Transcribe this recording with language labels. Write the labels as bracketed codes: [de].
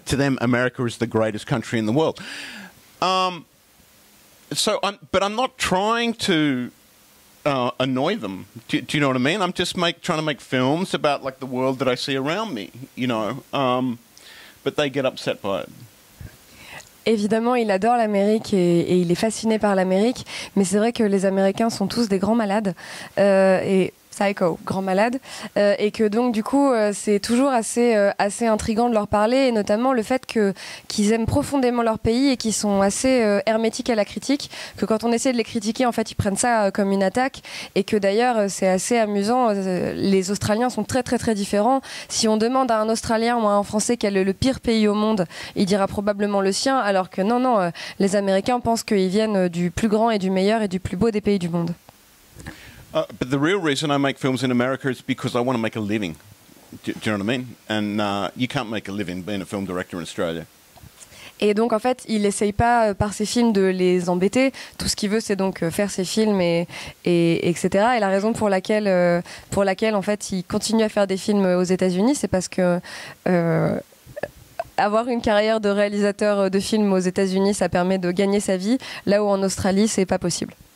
[en] To them, America is the greatest country in the world. But I'm not trying to annoy them. Do you know what I mean? I'm just trying to make films about, like, the world that I see around me, you know? But they get upset by it. [fr] Évidemment, il adore l'Amérique et il est fasciné par l'Amérique. Mais c'est vrai que les Américains sont tous des grands malades. Et psycho, grands malades. Et que donc, du coup, c'est toujours assez intriguant de leur parler. Et notamment le fait qu'ils aiment profondément leur pays et qu'ils sont assez hermétiques à la critique. Que quand on essaie de les critiquer, en fait, ils prennent ça comme une attaque. Et que d'ailleurs, c'est assez amusant. Les Australiens sont très, très, très différents. Si on demande à un Australien ou à un Français quel est le pire pays au monde, il dira probablement le sien. Alors que non, les Américains pensent qu'ils viennent du plus grand et du meilleur et du plus beau des pays du monde. [en] But the real reason I make films in America is because I want to make a living. Do you know what I mean? And you can't make a living being a film director in Australia. [fr] Et donc, en fait, il n'essaye pas par ses films de les embêter. Tout ce qu'il veut, c'est donc faire ses films et etc. Et la raison pour laquelle, en fait, il continue à faire des films aux États-Unis, c'est parce que avoir une carrière de réalisateur de films aux États-Unis, ça permet de gagner sa vie, là où en Australie, c'est pas possible.